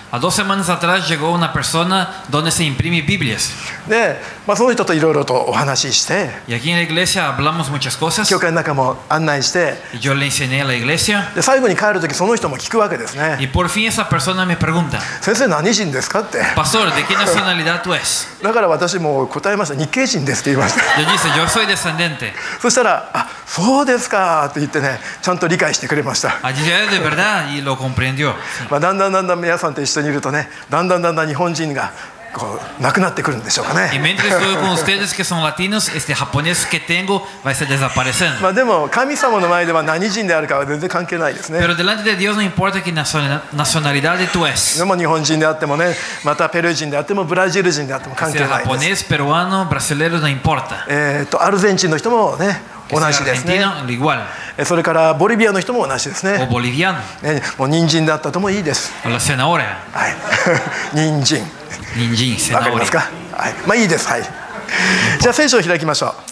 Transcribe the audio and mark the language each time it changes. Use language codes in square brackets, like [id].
[es] A dos semanas atrás llegó una persona donde se imprime Biblias. [ja] で、まあ、その人といろいろとお話しして。 [es] Y aquí en la iglesia hablamos muchas cosas. [ja] 教会の中も案内して。 [es] Yo le enseñé a la iglesia. [ja] で、最後に帰るときその人も聞くわけですね。 [es] Y por fin esa persona me pregunta. [ja] 先生何人ですかって。 [es] Pastor, ¿de qué nacionalidad tú eres? [ja] だから私も答えました。日系人ですって言いました。 [es] Yo dije, yo soy descendiente. [ja] そしたら、あ、そうですかって言ってね、ちゃんと理解してくれました。 [es] A dije, de verdad, y lo comprendió. [ja] まあ、だんだん皆さんと一緒にいるとね、だんだん日本人がこうなくなってくるんでしょうかね。 [es] Y mientras estoy con ustedes que son latinos, este japonés que tengo va a estar desapareciendo. [ja] まあ、でも神様の前では何人であるかは全然関係ないですね。 [es] Pero delante de Dios no importa qué nacionalidad tú eres. [ja] でも日本人であってもね、またペルー人であってもブラジル人であっても関係ないです。 [es] Este japonés, peruano, brasileño no importa. [ja] アルゼンチンの人もね。同じですね。 [es] Igual. [ja] それからボリビアの人も同じですね。 [es] O boliviano. [ja] ね、もう人参だったともいいです。 [es] O la cenaura. [ja] はい。人参。人参、セナオレ。わかりますか？はい。まあいいです。はい。じゃあ聖書を開きましょう。